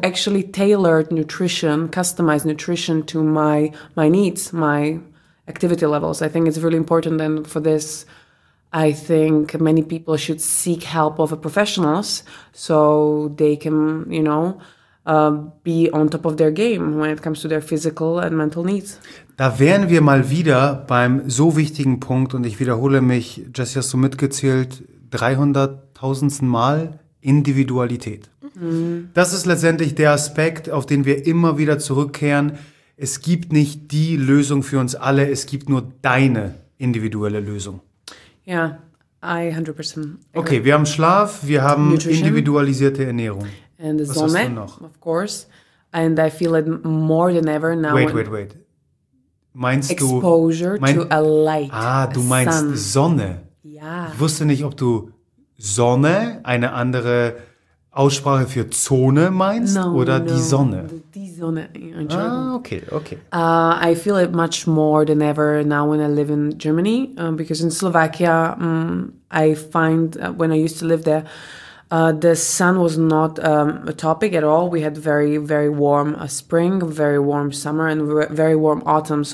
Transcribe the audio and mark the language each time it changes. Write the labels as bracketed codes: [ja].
[en] actually tailored nutrition, customized nutrition to my needs, my activity levels. I think it's really important. And for this, I think many people should seek help of a professionals so they can, you know, be on top of their game when it comes to their physical and mental needs. [de] Da wären wir mal wieder beim so wichtigen Punkt, und ich wiederhole mich, Jessie, hast du mitgezählt, 300.000sten Mal Individualität. Mhm. Das ist letztendlich der Aspekt, auf den wir immer wieder zurückkehren. Es gibt nicht die Lösung für uns alle, es gibt nur deine individuelle Lösung. Ja, I 100%. Okay, wir haben Schlaf, wir haben Nutrition. Individualisierte Ernährung. [en] And the Sonne, [de] was hast du noch? [en] Of course. And I feel it more than ever now. Wait. [de] Meinst [en] exposure Exposure mein, to a light. [de] Ah, du meinst [en] sun. [de] Sonne. Ja. Ich wusste nicht, ob du Sonne, eine andere Aussprache für Zone meinst, [en] no, [de] oder [en] no, [de] die Sonne. Die Sonne, Entschuldigung. Ah, okay. [en] I feel it much more than ever now when I live in Germany, because in Slovakia, I find, when I used to live there, the sun was not a topic at all. We had very, very warm spring, very warm summer, and very warm autumn.